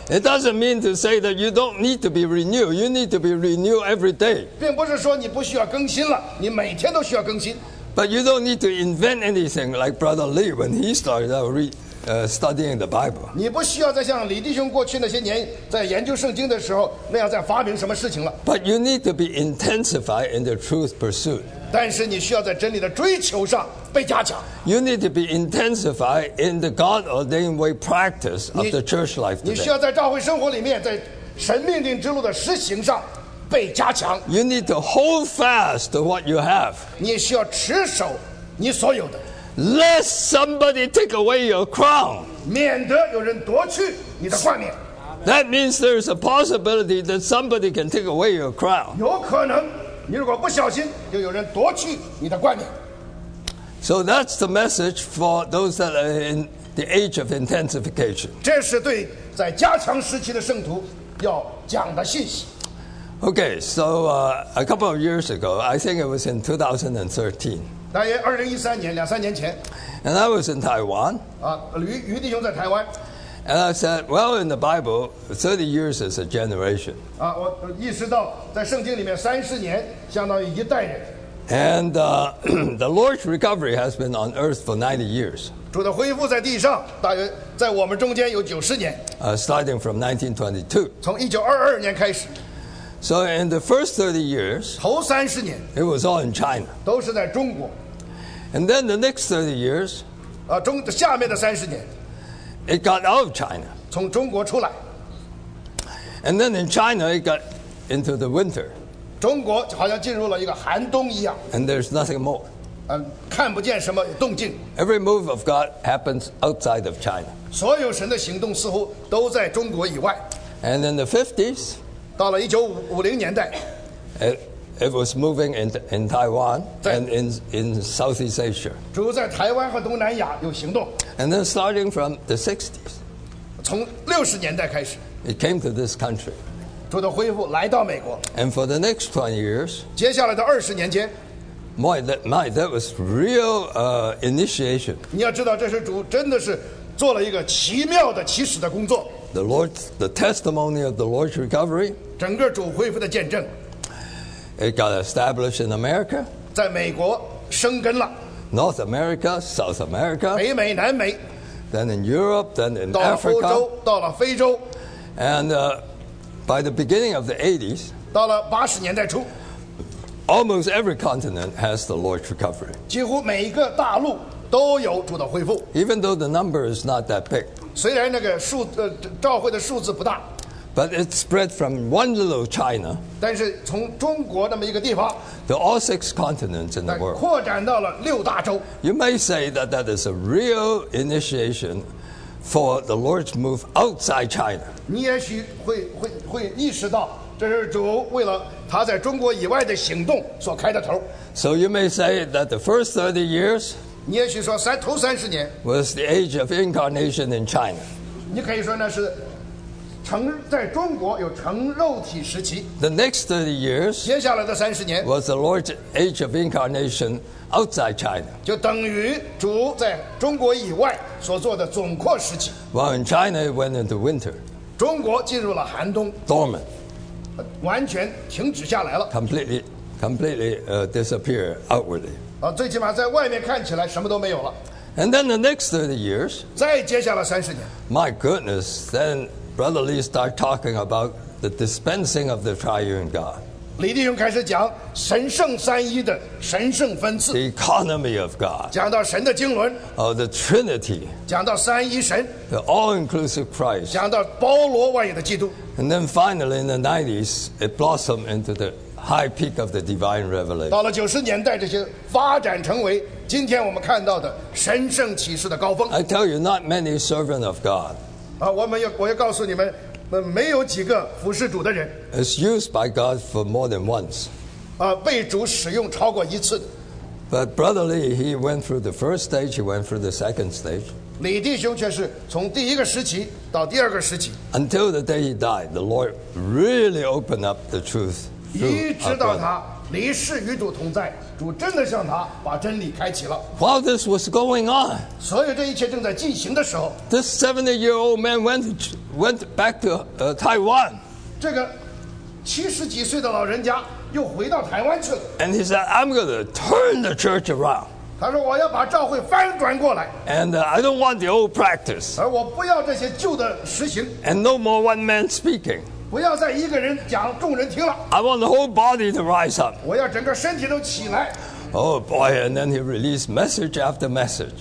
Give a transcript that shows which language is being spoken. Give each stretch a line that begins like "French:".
English: It doesn't mean to say that you don't need to be renewed. You need to be renewed every day.
Chinese: 并不是说你不需要更新了，你每天都需要更新。
English: But you don't need to invent anything like Brother Lee when he started out studying the Bible.
Chinese: 你不需要再像李弟兄过去那些年在研究圣经的时候那样再发明什么事情了。
English: But you need to be intensified in the truth pursuit.
Chinese: 但是你需要在真理的追求上被加强。
English: You need to be intensified in the God-ordained way practice of the church life today.
Chinese: 你需要在教会生活里面在神命定之路的实行上被加强。
English: You need to hold fast to what you have.
Chinese: 你需要持守你所有的。
English: Lest somebody take away your crown.
Chinese: 免得有人夺去你的冠冕。
English: That means there is a possibility that somebody can take away your crown.
Chinese: 有可能，你如果不小心，就有人夺去你的冠冕。
English: So that's the message for those that are in the age of intensification.
Chinese: 这是对在加强时期的圣徒要讲的信息。
English: Okay, so a couple of years ago, I think it was in 2013.
Chinese: 大约二零一三年，两三年前。
English: And I was in Taiwan.
Chinese: 啊，余弟兄在台湾。
English: And I said, well, in the Bible, 30 years is a generation.
Chinese: 啊，我意识到在圣经里面三十年相当于一代人。
English: And the Lord's recovery has been on earth for 90 years.
Chinese: 主的恢复在地上大约在我们中间有九十年。
English: Starting from 1922.
Chinese: 从一九二二年开始。
English: So in the first 30 years,
Chinese: 头三十年,
English: it was all in China.
Chinese: 都是在中国。
English: And then the next 30 years,
Chinese: 下面的三十年,
English: it got out of China.
Chinese: 从中国出来。
English: And then in China, it got into the winter.
Chinese: 中国好像进入了一个寒冬一样。
English: And there's nothing more.
Chinese: 看不见什么动静。
English: Every move of God happens outside of China.
Chinese: 所有神的行动似乎都在中国以外。
English: And in the 50s,
Chinese: 到了一九五零年代
English: it was moving in Taiwan and in Southeast Asia.
Chinese: 主在台湾和东南亚有行动。
English: And then starting from the 60s,
Chinese: 从六十年代开始
English: it came to this country.
Chinese: 主的恢复来到美国。
English: And for the next 20 years,
Chinese: 接下来的二十年间
English: that was real initiation.
Chinese: 你要知道，这是主真的是做了一个奇妙的起始的工作。
English: The testimony of the Lord's recovery.
Chinese: 整个主恢复的见证。
English: It got established in America.
Chinese: 在美国生根了。
English: North America, South America.
Chinese: 北美、南美。
English: Then in Europe, then in Africa.
Chinese: 到了欧洲，到了非洲。
English: And by the beginning of the 80s.
Chinese: 到了八十年代初。
English: Almost every continent has the Lord's recovery.
Chinese: 几乎每一个大陆都有主的恢复。
English: Even though the number is not that big.
Chinese: 虽然那个数召会的数字不大
English: ，but it spread from one little China，
Chinese: 但是从中国那么一个地方
English: ，to all six continents in the world，
Chinese: 扩展到了六大洲。
English: You may say that that is a real initiation for the Lord's move outside China。
Chinese: 你也许会意识到，这是主为了他在中国以外的行动所开的头。
English: So you may say that the first 30 years。
Chinese: 你也许说头三十年
English: was the age of incarnation in China.
Chinese: 你可以说那是在中国有成肉体时期。
English: The next 30 years
Chinese: 接下来的三十年
English: was the Lord's age of incarnation outside China.
Chinese: 就等于主在中国以外所做的总括时期。
English: While in China it went into winter.
Chinese: 中国进入了寒冬。
English: Dormant.
Chinese: 完全停止下来了。
English: Completely disappear outwardly.
Chinese: 最起码在外面看起来什么都没有了。
English: And then the next 30 years,
Chinese: 再接下来三十年。
English: My goodness, then Brother Lee started talking about the dispensing of the triune God.
Chinese: 李弟兄开始讲神圣三一的神圣分赐。
English: The economy of God.
Chinese: 讲到神的经纶。
English: Oh, the Trinity.
Chinese: 讲到三一神。
English: The all-inclusive Christ.
Chinese: 讲到包罗万有的基督。
English: And then finally in the 90s, it blossomed into the... High peak of the divine revelation.
Chinese: 到了九十年代，这些发展成为今天我们看到的神圣启示的高峰。
English: I tell you, not many servants of God.
Chinese: 我要告诉你们，没有几个服侍主的人。
English: Is used by God for more than once.
Chinese: 被主使用超过一次。
English: But Brother Lee, he went through the first stage. He went through the second stage.
Chinese: 李弟兄却是从第一个时期到第二个时期。
English: Until the day he died, the Lord really opened up the truth.
Chinese: 一直到他离世与主同在，主真的向他把真理开启了。
English: While this was going on,
Chinese: 所有这一切正在进行的时候
English: ，this 70-year-old man went back to Taiwan.
Chinese: 这个七十几岁的老人家又回到台湾去了。
English: And he said, "I'm going to turn the church around."
Chinese: 他说我要把教会翻转过来。
English: And I don't want the old practice.
Chinese: 而我不要这些旧的实行。
English: And no more one man speaking.
Chinese: 不要再一个人讲，众人听了。
English: I want the whole body to rise up.
Chinese: 我要整个身体都起来。
English: Oh boy, and then he released message after message.